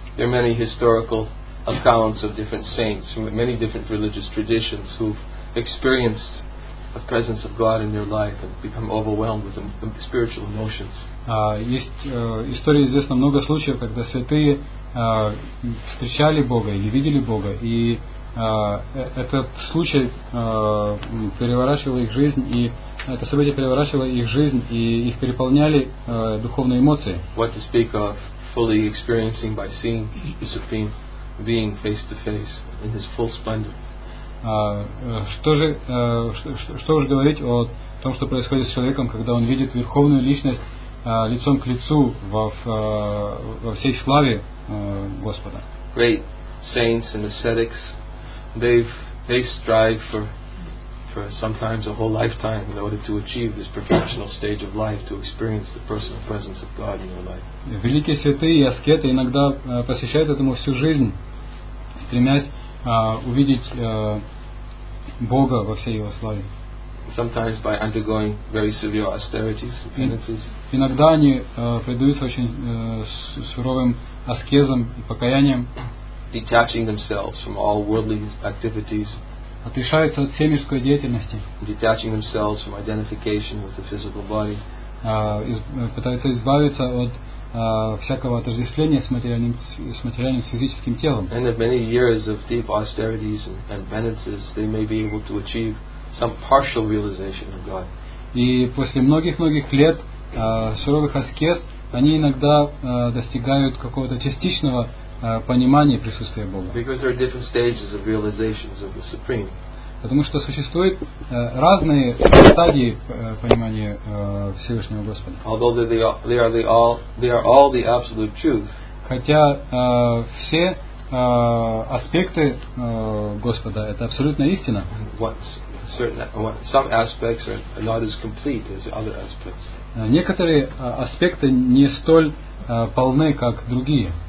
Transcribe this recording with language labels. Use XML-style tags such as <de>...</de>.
<en>There are many historical accounts of different saints from many different religious traditions who've experienced the presence of God in their life and become overwhelmed with spiritual emotions.</en> <ru>Есть истории, известно много случаев, когда святые встречали Бога или видели Бога, и этот случай переворачивал их жизнь, и это событие переворачивало их жизнь, и их переполняли духовные эмоции.</ru> <en>What to speak of fully experiencing by seeing the Supreme Being face to face in His full splendor.</en> <ru>Что уж говорить о том, что происходит с человеком, когда он видит Верховную Личность лицом к лицу во всей славе Господа.</ru> <en>Great saints and ascetics, they strive for sometimes a whole lifetime in order to achieve this professional stage of life, to experience the personal presence of God in your life.</en> <ru>Великие святые и аскеты иногда посвящают этому всю жизнь, стремясь увидеть Бога во всей его славе.</ru> <en>Sometimes by undergoing very severe austerities and penances.</en> <ru>Иногда они предаются очень суровым аскезам и покаянием.</ru> <en>Detaching themselves from all worldly activities.</en> <ru>Отрешаются от всемирской деятельности.</ru> <en>Detaching themselves from identification with the physical body.</en> <ru>Пытаются избавиться от всякого отождествления с материальным физическим телом.</ru> <en>And after many years of deep austerities and penances, they may be able to achieve some partial realization of God.</en> <ru>И после многих лет суровых аскез они иногда достигают какого-то частичного понимания присутствия Бога.</ru> <en>Because there are different stages of realizations of the Supreme.</en> <ru>Потому что существуют разные стадии понимания Всевышнего Господа.</ru> <en>Although they are all the absolute truth.</en> <ru>Хотя все аспекты Господа это абсолютная истина.</ru> <en>Some aspects are not as complete as other aspects.</en> <ru>Некоторые аспекты не столь полны, как другие.</ru>